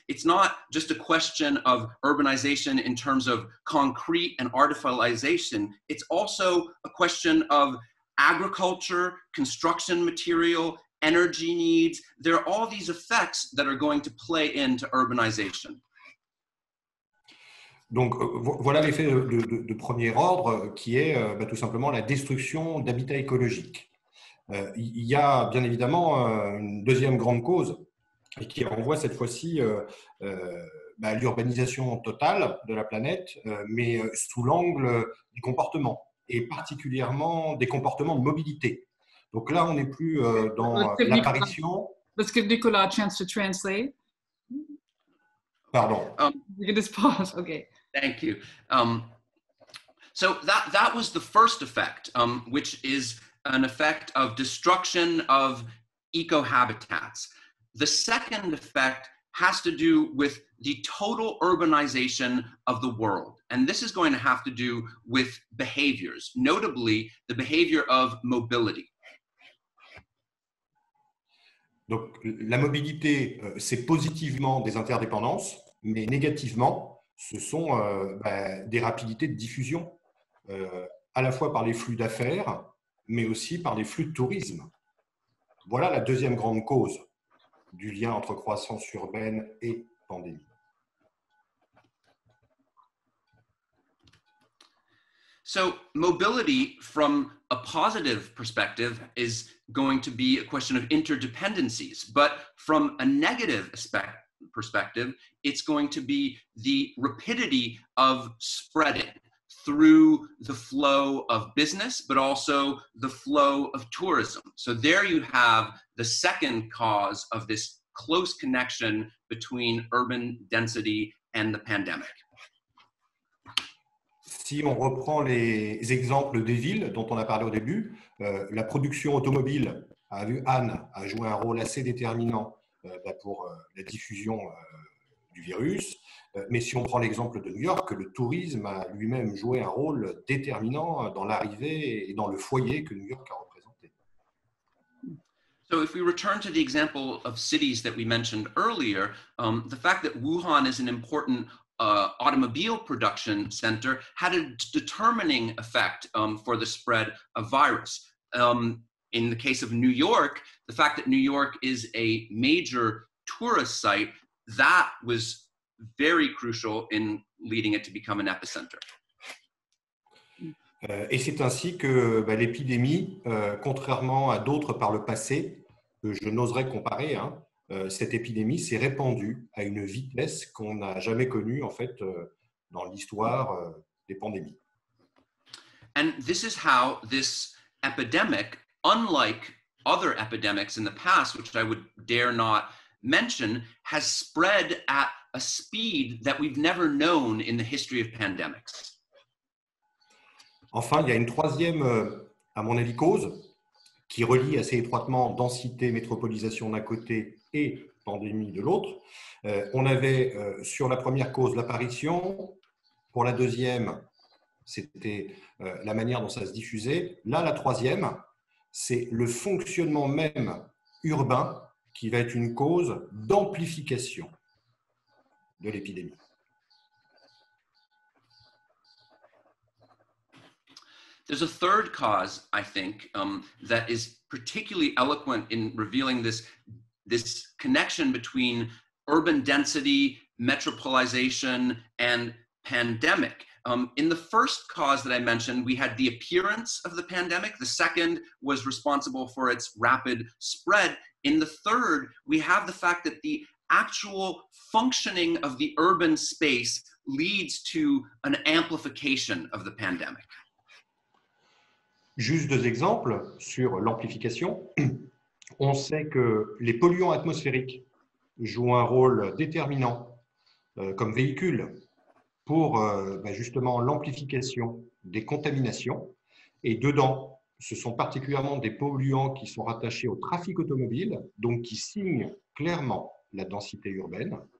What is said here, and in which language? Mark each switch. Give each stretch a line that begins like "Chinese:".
English: It's not just a question of urbanization in terms of concrete and artificialization. It's also a question of agriculture, construction material, energy needs. There are all these effects that are going to play into urbanization.
French: Donc, voilà l'effet de premier ordre qui est tout simplement la destruction d'habitats écologiques. Il y a bien évidemment une deuxième grande cause et qui renvoie cette fois-ci à l'urbanisation totale de la planète, mais sous l'angle du comportement et particulièrement des comportements de mobilité. Donc là, on n'est plus dans l'apparition.
English: Let's give Nicolas a chance to translate.
French: Pardon.
English: You can just pause. Okay. Thank you. So that was the first effect, which is an effect of destruction of ecohabitats. The second effect has to do with the total urbanization of the world. And this is going to have to do with behaviors, notably the behavior of mobility.
French: Donc, la mobilité, c'est positivement des interdépendances, mais négativement, ce sont des rapidités de diffusion, à la fois par les flux d'affaires, mais aussi par les flux de tourisme. Voilà la deuxième grande cause du lien entre croissance urbaine et pandémie.
English: So, mobility, from a positive perspective, is going to be a question of interdependencies, but from a negative aspect, perspective, it's going to be the rapidity of spreading through the flow of business, but also the flow of tourism. So there you have the second cause of this close connection between urban density and the pandemic.
French: Si on reprend les exemples des villes dont on a parlé au début, la production automobile a vu Anne a joué un rôle assez déterminant pour la diffusion du virus. Mais si on prend l'exemple de New York, le tourisme a lui-même joué un rôle déterminant dans l'arrivée et dans le foyer que New York a représenté.
English: So if we return to the example of cities that we mentioned earlier, the fact that Wuhan is an important automobile production center had a determining effect for the spread of virus. In the case of New York, the fact that New York is a major tourist site, that was very crucial in leading it to become an epicenter.
French: Et c'est ainsi que l'épidémie, contrairement à d'autres par le passé, que je n'oserais comparer, hein, cette épidémie s'est répandue à une vitesse qu'on n'a jamais connue en fait dans l'histoire des pandémies.
English: And this is how this epidemic, unlike other epidemics in the past, which I would dare not mention, has spread at a speed that we've never known in the history of pandemics.
French: Enfin, il y a une troisième, à mon avis, cause, qui relie assez étroitement densité, métropolisation d'un côté et pandémie de l'autre. On avait sur la première cause l'apparition, pour la deuxième, c'était la manière dont ça se diffusait. Là, la troisième, c'est le fonctionnement même urbain qui va être une cause d'amplification de l'épidémie.
English: There's a third cause, I think, that is particularly eloquent in revealing this connection between urban density, metropolization, and pandemic. In the first cause that I mentioned, we had the appearance of the pandemic. The second was responsible for its rapid spread. In the third, we have the fact that the actual functioning of the urban space leads to an amplification of the pandemic.
French: Juste deux exemples sur l'amplification. On sait que les polluants atmosphériques jouent un rôle déterminant comme véhicule pour justement l'amplification des contaminations. Et dedans, ce sont particulièrement des polluants qui sont rattachés au trafic automobile, donc qui signent clairement la densité urbaine.